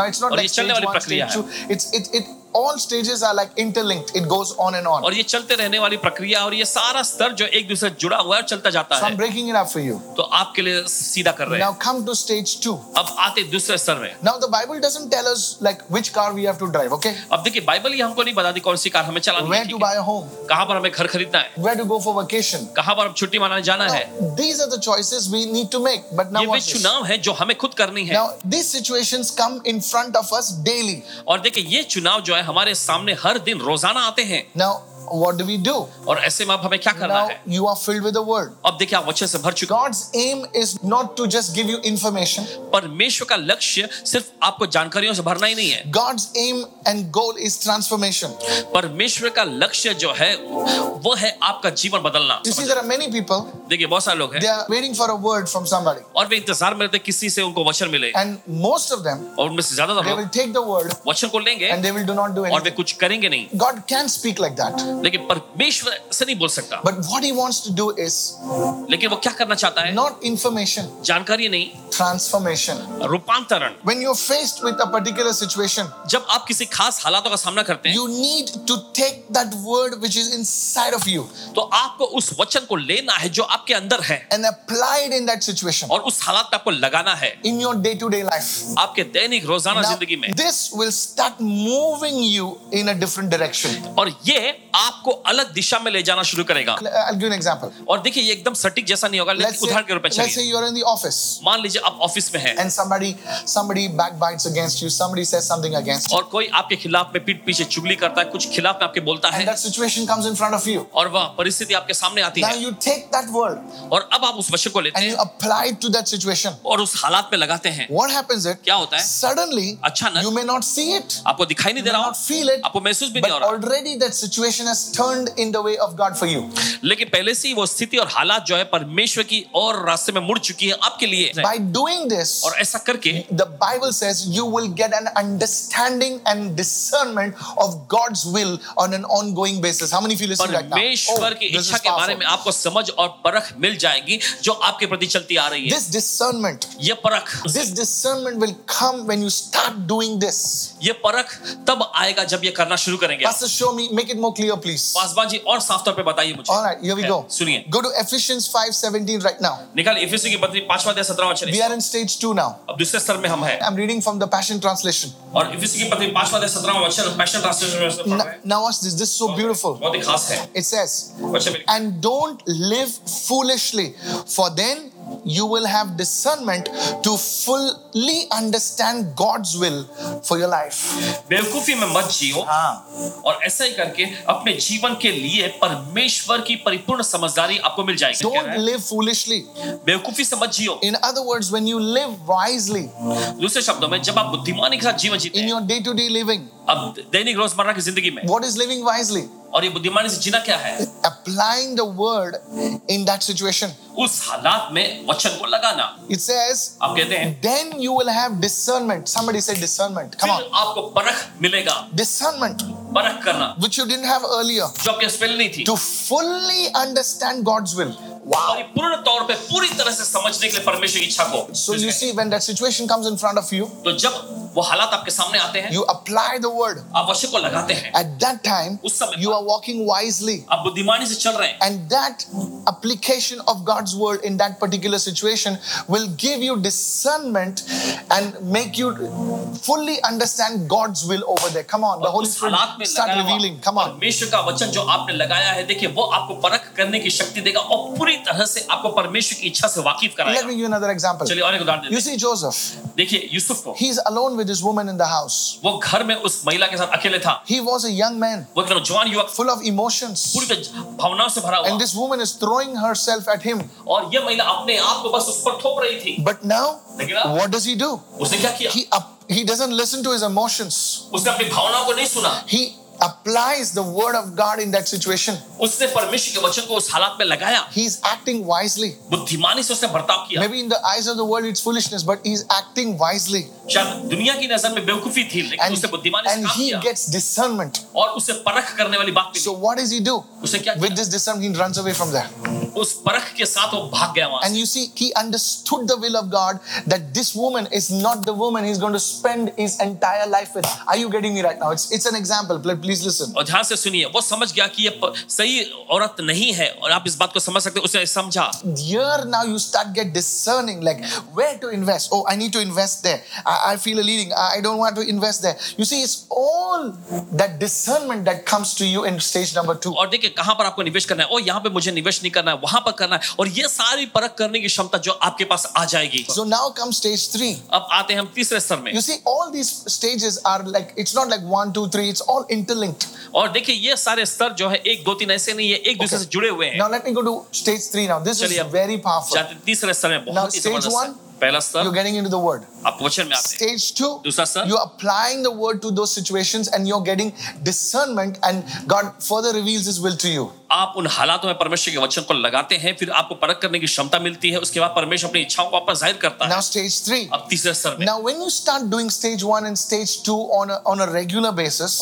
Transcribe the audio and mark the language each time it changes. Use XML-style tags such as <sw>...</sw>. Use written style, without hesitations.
<en>Now it's not like stage one, stage two. All stages are like interlinked. It goes on and on.</en> <hi>और ये चलते रहने वाली प्रक्रिया और ये सारा स्तर जो एक दूसरे से जुड़ा हुआ है चलता जाता है।</hi> <en>So I'm breaking it up for you.</en> <hi>तो आपके लिए सीधा कर रहे हैं।</hi> <en>Now come to stage two.</en> <hi>अब आते दूसरे स्तर में।</hi> <en>Now the Bible doesn't tell us like which car we have to drive, okay?</en> <hi>अब देखिए Bible ही हमको नहीं बताती कौन सी कार हमें चलानी है।</hi> <en>Where to buy a home?</en> <hi>कहाँ पर हमें घर खरीदना है?</hi> <en>Where to go for vacation?</en> <hi>कहाँ पर हम छुट्टी मनाने जाना है?</hi> <en>These are the choices we need to make. But now</en> <hi>ये चुनाव है जो हमें खुद करनी है।</hi> <en>Now these situations come in front of us daily.</en> <hi>और देखिए ये चुनाव जो है हमारे सामने हर दिन रोजाना आते हैं</hi> <en>Now, What do we do?</en> <hi>और ऐसे में आप हमें क्या करना</hi> <en>Now,</en> <hi>है?</hi> <en>You are filled with the word.</en> <hi>अब देखिए आप वचन से भर चुके</hi> <en>God's aim is not to just give you information.</en> <hi>परमेश्वर का लक्ष्य सिर्फ आपको जानकारियों से भरना ही नहीं है.</hi> <en>God's aim and goal is transformation.</en> <hi>परमेश्वर का लक्ष्य जो है वो है आपका जीवन बदलना.</hi> <en>You see, there are many people.</en> <hi>देखिए बहुत सारे लोग हैं.</hi> <en>They are waiting for a word from somebody.</en> <hi>और वे इंतजार में रहते हैं किसी से उनको वचन मिले.</hi> <en>And most of them.</en> <hi>और उनमें से ज्यादातर</hi> <en>they will take the word.</en> <hi>वचन को लेंगे.</hi> <en>And they will do not do anything.</en> <hi>और वे कुछ करेंगे नहीं.</hi> <en>God can't speak like that.</en> <hi>लेकिन परमेश्वर से नहीं बोल सकता.</hi> <en>But what he wants to do is,</en> <hi>लेकिन वो क्या करना चाहता है?</hi> <en>Not information,</en> <hi>जानकारी नहीं,</hi> <en>transformation,</en> <hi>रूपांतरण.</hi> <en>When you're faced with a particular situation,</en> <hi>जब आप किसी खास हालातों का सामना करते हैं,</hi> <en>you need to take that word which is inside of you,</en> <hi>तो आपको उस वचन को लेना है जो आपके अंदर है,</hi> <en>and apply it in that situation,</en> <hi>और उस हालात पे आपको लगाना है,</hi> <en>in your day-to-day life,</en> <hi>आपके दैनिक रोजाना जिंदगी में.</hi> <en>This will start moving you in a different direction,</en> <hi>और ये आपको अलग दिशा में ले जाना शुरू करेगा.</hi> <en>I'll give an example.</en> <hi>और देखिए ये एकदम सटीक जैसा नहीं होगा, लेकिन उदाहरण के रूप में चलिए.</hi> <en>Let's say you are in the office.</en> <hi>मान लीजिए आप ऑफिस में हैं.</hi> <en>And somebody backbites against you. Somebody says something against.</en> <hi>और कोई आपके खिलाफ में पीठ पीछे चुगली करता है, कुछ खिलाफ में आपके बोलता है.</hi> <en>And that situation comes in front of you.</en> <hi>और वह परिस्थिति आपके सामने आती है.</hi> <en>Now you take that word.</en> <hi>और अब आप उस वचन को लेते हैं.</hi> <en>And you apply it to that situation.</en> <hi>और उस हालात में लगाते हैं.</hi> <en>What happens it?</en> <hi>क्या होता है?</hi> <en>Suddenly.</en> <hi>अच्छा ना?</hi> <en>You may not see it.</en> <hi>आपको दिखाई नहीं दे रहा.</hi> <en>You may not feel it.</en> <hi>आपको महसूस भी नहीं हो रहा.</hi> <en>But already that situation has turned in the way of God for you.</en> <hi>लेकिन पहले से ही वो स्थिति और हालात जो है परमेश्वर की और रास्ते में मुड़ चुकी है आपके लिए.</hi> <en>By doing this,</en> <hi>और ऐसा करके,</hi> <en>the Bible says you will get an understanding and discernment of God's will on an ongoing basis. How many of you listen right now?</en> <hi>परमेश्वर की इच्छा के बारे में आपको समझ और परख मिल जाएगी जो आपके प्रति चलती आ रही है.</hi> <en>This discernment,</en> <hi>ये परख,</hi> <en>this discernment will come when you start doing this.</en> <hi>ये परख तब आएगा जब ये करना शुरू करेंगे.</hi> <en>Pastor, show me, make it more clear, please.</en> <hi>Paswan ji और साफ तौर पे बताइए मुझे.</hi> <en>All right, here we go.</en> <hi>सुनिए.</hi> <en>Go to Ephesians 5:17 right now.</en> <hi>निकाल इफिसियों की पत्री 5वां अध्याय 17वां वचन.</hi> <en>We are in stage 2 now.</en> <hi>अब दूसरे स्तर में हम हैं.</hi> <en>I'm reading from the Passion Translation.</en> <hi>और इफिसियों की पत्री 5वां अध्याय 17वां वचन Passion Translation में पढ़ रहे हैं.</hi> <en>Now watch this. This is so beautiful.</en> <hi>बहुत ही खास है.</hi> <en>It says, and don't live foolishly, for then you will have discernment to fully understand God's will for your life.</en> <hi>बेवकूफी में मत जियो. और ऐसा ही करके अपने जीवन के लिए परमेश्वर की परिपूर्ण समझदारी आपको मिल जाएगी.</hi> <en>Don't live foolishly.</en> <hi>बेवकूफी से मत जियो.</hi> <en>In other words, when you live wisely.</en> <hi>दूसरे शब्दों में जब आप बुद्धिमानी के साथ जीवन जीते.</hi> <en>In your day-to-day living.</en> <hi>अब दैनिक रोजमर्रा की जिंदगी में.</hi> <en>What is living wisely?</en> <hi>और ये बुद्धिमानी से जीना क्या है?</hi> <en>Applying the word in that situation.</en> <hi>उस हालात में वचन को लगाना.</hi> <en>It says.</en> <hi>आप कहते हैं.</hi> <en>Then you will have discernment. Somebody say discernment. Come on.</en> <hi>फिर आपको परख मिलेगा.</hi> <en>Discernment.</en> <hi>परख करना.</hi> <en>Which you didn't have earlier.</en> <hi>जो आपके स्पेल नहीं थी.</hi> <en>To fully understand God's will. Wow.</en> <hi>और ये पूर्ण तौर पे पूरी तरह से समझने के लिए परमेश्वर की इच्छा को.</hi> <en>So you see, when that situation comes in front of you.</en> <hi>तो जब वो हालात आपके सामने आते हैं,</hi> <en>you apply the word.</en> <hi>आप वचन को लगाते हैं.</hi> <en>At that time,</en> <hi>उस समय</hi> <en>you are walking wisely.</en> <hi>आप बुद्धिमानी से चल रहे हैं.</hi> <en>And that application of God's word in that particular situation will give you discernment and make you fully understand God's will over there. Come on, the Holy Spirit start revealing. Come on.</en> <hi>परमेश्वर का वचन जो आपने लगाया है, देखिए वो आपको परख करने की शक्ति देगा और पूरी तरह से आपको परमेश्वर की इच्छा से वाकिफ कराएगा.</hi> <en>Let me give you another example.</en> <hi>चलिए और एक उदाहरण देते हैं.</hi> <en>You see Joseph.</en> <hi>देखिए यूसुफ को.</hi> <en>He's alone with his woman in the house.</en> <hi>वो घर में उस महिला के साथ अकेले था.</hi> <en>He was a young man.</en> <hi>वो एक नौजवान युवक.</hi> <en>Full of emotions.</en> <hi>पूरी तरह भावनाओं से भरा हुआ.</hi> <en>And this woman is throwing herself at him.</en> <hi>और ये महिला अपने आप को बस उस पर थोप रही थी.</hi> <en>But now, what does he do?</en> <hi>उसने क्या किया?</hi> <en>He doesn't listen to his emotions.</en> <hi>उसने अपनी भावनाओं को नहीं सुना.</hi> <en>He applies the word of God in that situation.</en> <hi>उसने परमेश्वर के वचन को उस हालात में लगाया.</hi> <en>He is acting wisely.</en> <hi>बुद्धिमानी से उसने बर्ताव किया.</hi> <en>Maybe in the eyes of the world it's foolishness, but he is acting wisely.</en> <hi>शायद दुनिया की नजर में बेवकूफी थी, लेकिन उसने बुद्धिमानी से काम किया.</hi> <en>And he gets discernment.</en> <hi>और उसे परख करने वाली बात मिली.</hi> <en>So what does he do?</en> <hi>उसे क्या किया?</hi> <en>With this discernment, he runs away from there.</en> <hi>उस परख के साथ वो भाग गया वहाँ.</hi> <en>And you see, he understood the will of God that this woman is not the woman he's going to spend his entire life with. Are you getting me right now? It's an example. Please listen.</en> <hi>और ध्यान से सुनिए. वो समझ गया कि ये सही औरत नहीं है और आप इस बात को समझ सकते हैं. उसे समझा.</hi> <en>Here now you start get discerning like where to invest. Oh, I need to invest there. I feel a leading. I don't want to invest there. You see, it's all that discernment that comes to you in stage number 2.</en> <hi>और देखिए कहाँ पर आपको निवेश करना है. ओ यहाँ पे मुझे निवेश नहीं करना है. वहां पर करना है और ये सारी परख करने की क्षमता जो आपके पास आ जाएगी.</hi> <en>So now comes stage 3.</en> <hi>अब आते हैं हम तीसरे स्तर में.</hi> <en>You see, all these stages are like, it's not like 1, 2, 3, it's all interlinked.</en> <hi>और देखिए ये सारे स्तर जो है 1, 2, 3 ऐसे नहीं है, एक दूसरे से जुड़े हुए हैं.</hi> <en>Now let me go to stage 3 now. This is very powerful.</en> <hi>चलिए तीसरे स्तर में बहुत ही जबरदस्त.</hi> <en>You're getting into the word. Stage 2, you're applying the word to those situations and you're getting discernment and God further reveals His will to you.</en> <hi>आप उन हालातों में परमेश्वर के वचन को लगाते हैं, फिर आपको परख करने की क्षमता मिलती है, उसके बाद परमेश्वर अपनी इच्छाओं को आपस जाहिर करता है.</hi> <en>Now stage 3.</en> <hi>अब तीसरे स्तर में.</hi> <en>Now when you start doing stage 1 and stage 2 on a regular basis.</en>